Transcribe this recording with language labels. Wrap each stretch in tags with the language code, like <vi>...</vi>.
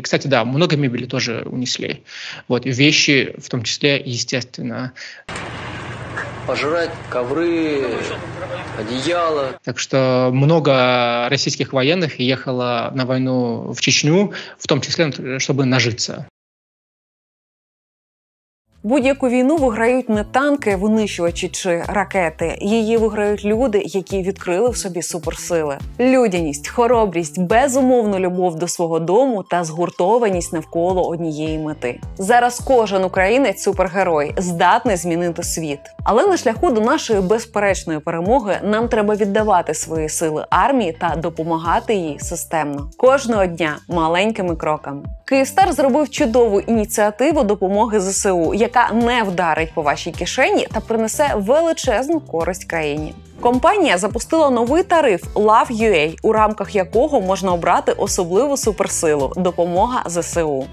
<ru>Кстати, да, много мебели тоже унесли. Вот, и вещи в том числе, естественно. Пожрать ковры, одеяло. Так что много российских военных ехало на войну в Чечню, в том числе, чтобы нажиться.</ru> <uk>Будь-яку війну виграють не танки, винищувачі чи ракети. Її виграють люди, які відкрили в собі суперсили. Людяність, хоробрість, безумовну любов до свого дому та згуртованість навколо однієї мети. Зараз кожен українець – супергерой, здатний змінити світ. Але на шляху до нашої безперечної перемоги нам треба віддавати свої сили армії та допомагати їй системно. Кожного дня – маленькими кроками. «Київстар» зробив чудову ініціативу допомоги ЗСУ, яка не вдарить по вашій кишені та принесе величезну користь країні. Компанія запустила новий тариф Love.ua, у рамках якого можна обрати особливу суперсилу – допомога ЗСУ.</uk>